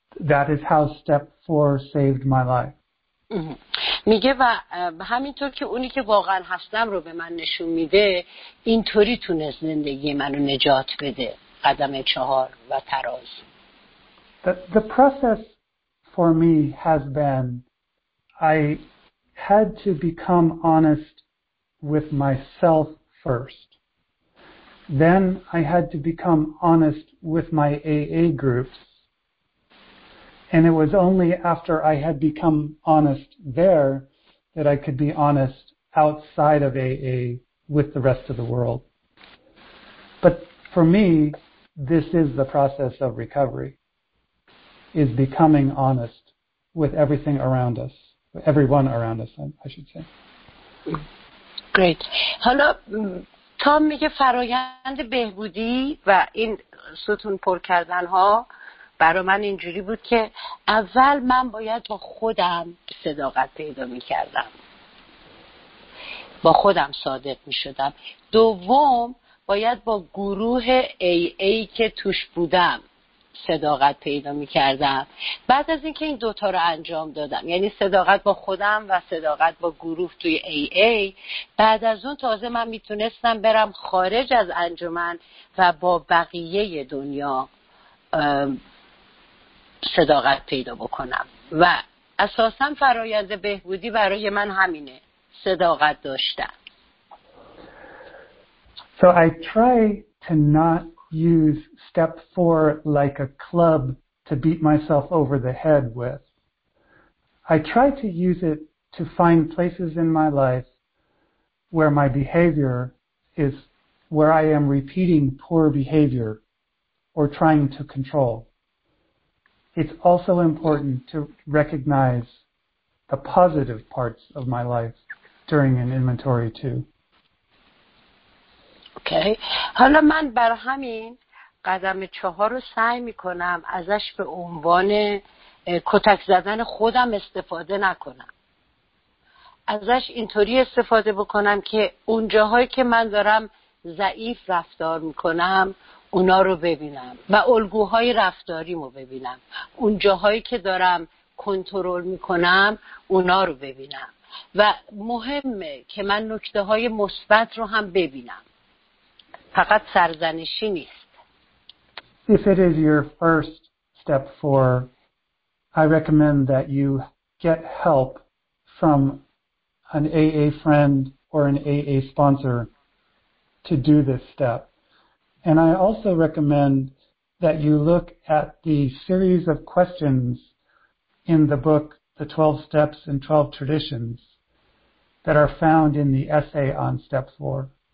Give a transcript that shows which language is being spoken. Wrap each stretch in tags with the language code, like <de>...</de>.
<en>That is how step 4 saved my life.</en> <fa>میگه و همینطور که اونی که واقعا هستم رو به من نشون میده اینطوری تونست زندگی منو نجات بده. قدم 4 و تراز.</fa> <en>The process for me has been I had to become honest with myself first. Then I had to become honest with my AA groups. And it was only after I had become honest there that I could be honest outside of AA with the rest of the world. But for me, this is the process of recovery, is becoming honest with everything around us, everyone around us, I should say. Great. Hello.</en> <fa>Tom میگه فرایند بهبودی و این ستون پر کردن ها برای من اینجوری بود که اول من باید با خودم صداقت پیدا می کردم، با خودم صادق می شدم. دوم باید با گروه AA که توش بودم صداقت پیدا می کردم. بعد از اینکه این دوتا رو انجام دادم، یعنی صداقت با خودم و صداقت با گروه توی AA، بعد از اون تازه من می تونستم برم خارج از انجمن و با بقیه دنیا صداقت پیدا بکنم. و اساسا فرایند بهبودی برای من همینه، صداقت داشتن.</fa> <en>So I try to not use step 4 like a club to beat myself over the head with. I try to use it to find places in my life where my behavior is, where I am repeating poor behavior or trying to control. It's also important to recognize the positive parts of my life during an inventory too. Okay.</en> <fa>حالا من بر همین قدم 4 رو سعی میکنم ازش به عنوان کتک زدن خودم استفاده نکنم. ازش اینطوری استفاده بکنم که اونجاهایی که من دارم ضعیف رفتار میکنم اونا رو ببینم و الگوهای رفتاریمو ببینم، اون جاهایی که دارم کنترل میکنم اونا رو ببینم، و مهمه که من نکته های مثبت رو هم ببینم، فقط سرزنشی نیست.</fa> <en>If it is your first step for, I recommend that you get help from an AA friend or an AA sponsor to do this step. And I also recommend that you look at the series of questions in the book, The 12 Steps and 12 Traditions, that are found in the essay on step four.</en>